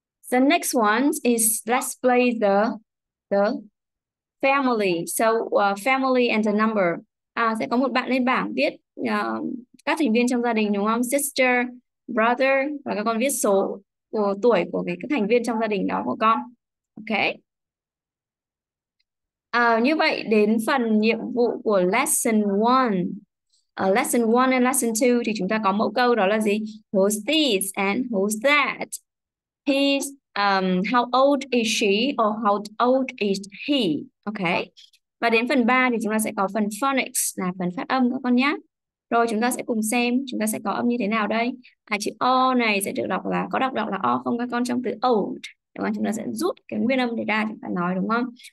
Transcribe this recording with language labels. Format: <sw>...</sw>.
<en>The next one is let's play the family. So family and the number.</en> <vi>Sẽ có một bạn lên bảng viết các thành viên trong gia đình đúng không? Sister, brother và các con viết số của tuổi của cái thành viên trong gia đình đó của con. Okay. Như vậy đến phần nhiệm vụ của lesson 1. Lesson 1 and lesson 2 thì chúng ta có mẫu câu đó là gì?</vi> <en>Who's this and who's that? He's how old is she or how old is he? Okay.</en> <vi>Và đến phần 3 thì chúng ta sẽ có phần phonics là phần phát âm các con nhé. Rồi chúng ta sẽ cùng xem chúng ta sẽ có âm như thế nào đây. Chữ O này sẽ được đọc là, có đọc là O không các con trong từ old? Đúng không? Chúng ta sẽ rút cái nguyên âm để ra chúng ta nói đúng không?</vi>